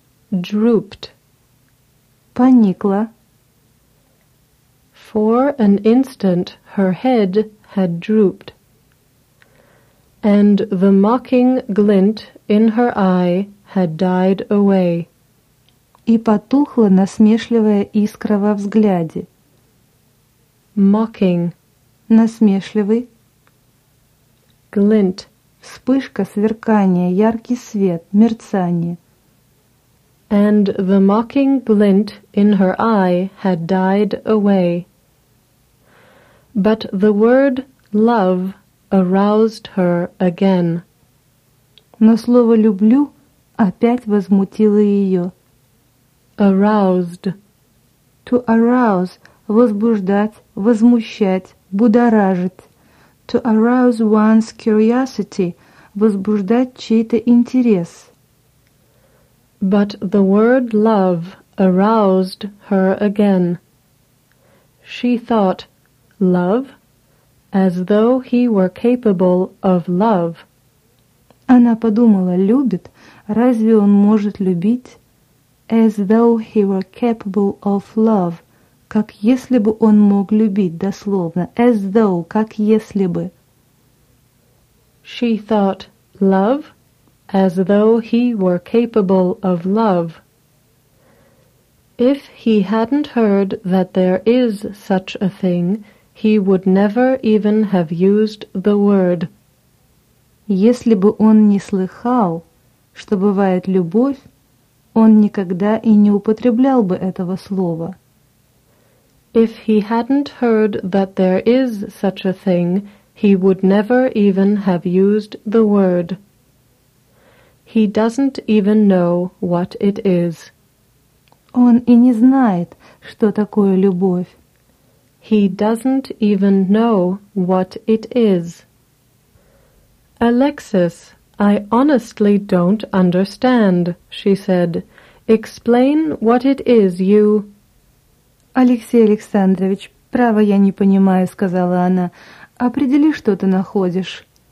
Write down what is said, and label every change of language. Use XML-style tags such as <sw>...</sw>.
<en>Drooped.</en> <ru>Поникла.</ru> <en>For an instant her head had drooped. And the mocking glint in her eye had died away.</en> <ru>И потухла насмешливая искра во взгляде.</ru> <en>Mocking.</en> <ru>Насмешливый.</ru> <en>Glint.</en> <ru>Вспышка, сверкание, яркий свет, мерцание.</ru> <en>And the mocking glint in her eye had died away. But the word love aroused her again.</en> <ru>Но слово «люблю» опять возмутило ее.</ru> <en>Aroused. To arouse,</en> <ru>возбуждать, возмущать, будоражить.</ru> <en>To arouse one's curiosity,</en> <ru>возбуждать чей-то интерес.</ru> <en>But the word love aroused her again. She thought, love, as though he were capable of love.</en> <ru>Она подумала, любит, разве он может любить?</ru> <en>As though he were capable of love.</en> <ru>Как если бы он мог любить, дословно.</ru> <en>As though,</en> <ru>как если бы.</ru> <en>She thought, love, as though he were capable of love. If he hadn't heard that there is such a thing, he would never even have used the word.</en> <ru>Если бы он не слыхал, что бывает любовь, он никогда и не употреблял бы этого слова.</ru> <en>If he hadn't heard that there is such a thing, he would never even have used the word. He doesn't even know what it is.</en> <ru>Он и не знает, что такое любовь.</ru> <en>He doesn't even know what it is. Alexis, I honestly don't understand, she said. Explain what it is you...</en> <ru>Алексей Александрович, право я не понимаю, сказала она. Определи, что ты находишь.</ru>